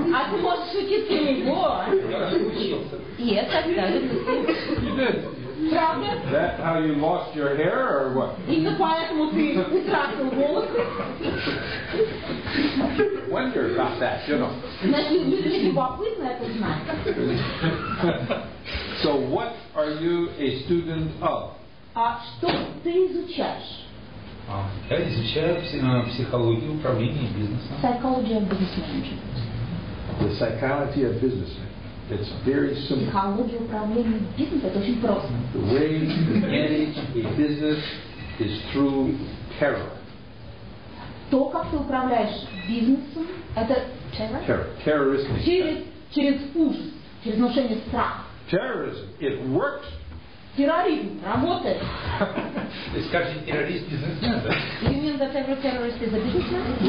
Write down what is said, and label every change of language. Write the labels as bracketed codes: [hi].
[ru] А ты можешь шутить у него? [en] Yes, I did. You did. [ru] Правда? [en] Is that how you lost your hair or what? [ru] Именно поэтому ты утратил волосы. [en] Wonder about that, you know. [ru] Значит, люди любопытны, это знать. [en] So what are you a student of? [ru] А что ты изучаешь? Я изучаю психологию управления бизнесом. [en] Psychology of business management. The psychology of business. It's very simple. [ru] Психология управления бизнесом — это очень просто. [en] The way to manage a business is through terror. [ru] То, как ты управляешь бизнесом, это [en] terrorism. [ru] Через ужас, через внушение страха. [en] Terrorism. It works. [ru] Терроризм работает. Скажите, террорист бизнесмен, да? [en] You mean that every terrorist is a businessman?